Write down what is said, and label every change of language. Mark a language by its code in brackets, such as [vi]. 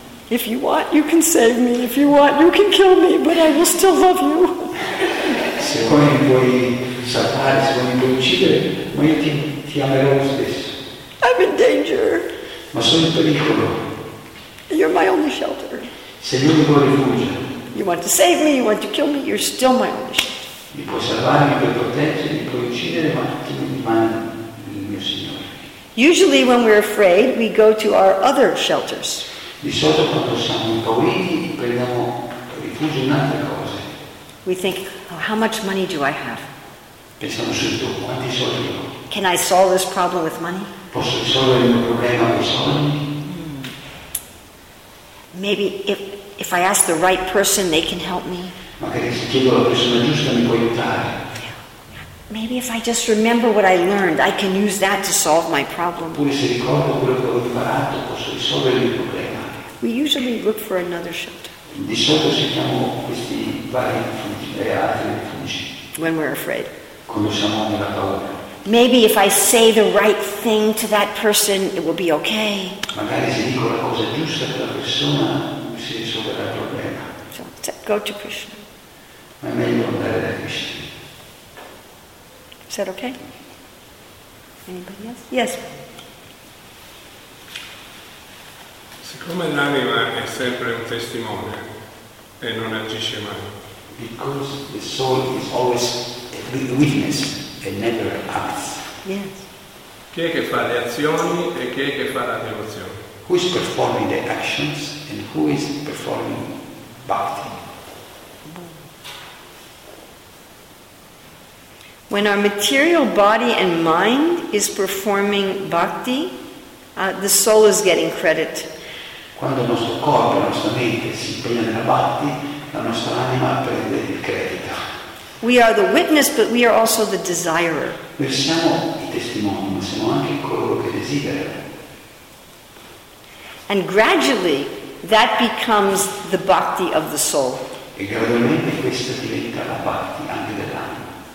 [en] If you want, you can save me. If you want, you can kill me, but I will still love you. [it] Se vuoi, puoi salvare, se vuoi, puoi uccidere, ma io ti amerò lo stesso. [en] I'm in danger. [it] Ma sono in pericolo. [en] You're my only shelter. [it] Sei l'unico rifugio. [en] You want to save me, you want to kill me, you're still my only shelter. [it] Mi puoi salvare, mi puoi proteggere, mi puoi uccidere, ma tu rimani il mio Signore. [en] Usually when we're afraid, we go to our other shelters. [it] Di solito quando siamo impauriti, prendiamo rifugio in altre cose. [en] We think, oh, how much money do I have? [it] Pensiamo subito, quanti soldi ho? [en] Can I solve this problem with money? [it] Posso risolvere il mio problema con i soldi? [en] Maybe if I ask the right person, they can help me. [it] Magari se chiedo alla persona giusta mi può aiutare. [en] Maybe if I just remember what I learned, I can use that to solve my problem. [it] Oppure se ricordo quello che ho imparato, posso risolvere il mio problema. [en] We usually look for another shelter. [it] Di solito cerchiamo questi vari rifugi, le altre rifugi. [en] When we're afraid. [it] Quando siamo nella paura. [en] Maybe if I say the right thing to that person, it will be okay. [it] Magari se dico la cosa giusta per la persona, si risolverà il problema. [en] So, go to Krishna. [it] Ma è meglio andare da Krishna. [en] Is that okay? Anybody else? Yes. [it] Siccome l'anima è sempre un testimone e non agisce mai. [en] Because the soul is always a witness and never acts. Yes. [it] Chi è che fa le azioni e chi è che fa la devozione? [en] Who is performing the actions and who is performing bhakti? When our material body and mind is performing bhakti, the soul is getting credit. [it] Quando il nostro corpo, la nostra mente si impegna nella bhakti, la nostra anima prende il credito. [en] We are the witness, but we are also the desirer. [it] Noi siamo i testimoni, ma siamo anche coloro che desiderano. [en] And gradually, that becomes the bhakti of the soul. [it] E gradualmente questa diventa la bhakti anche dell'anima.